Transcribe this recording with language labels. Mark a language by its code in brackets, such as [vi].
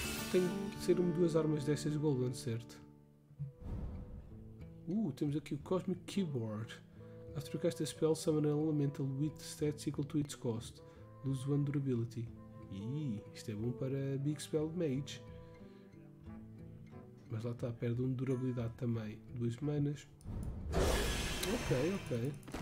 [pt] Tem que ser uma duas armas dessas golden, certo? Temos aqui o Cosmic Keyboard. [en] After you cast a spell, summon an elemental with stats equal to its cost. Lose 1 durability. [pt] Isto é bom para Big Spell Mage. Mas lá está, perde um de durabilidade também. 2 semanas. Ok.